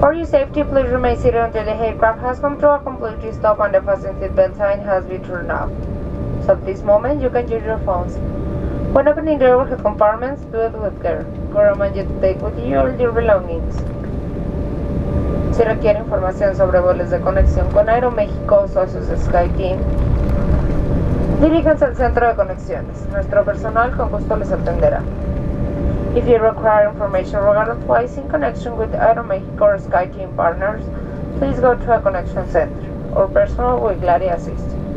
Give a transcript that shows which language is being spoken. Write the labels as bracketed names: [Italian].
[English] For your safety, please remain seated until the aircraft has come to a complete stop and the fasten seat belt sign has been turned off. So at this moment, you can use your phones. When opening the overhead compartments, do it with care. We recommend you to take with you all your belongings. [Spanish] Si requiere información sobre vuelos de conexión con Aeroméxico o socios de SkyTeam, diríjanse al centro de conexiones. Nuestro personal con gusto les atenderá. [English] If you require information regarding flights in connection with Aeroméxico or SkyTeam partners, please go to a connection center. Our personal will gladly assist you.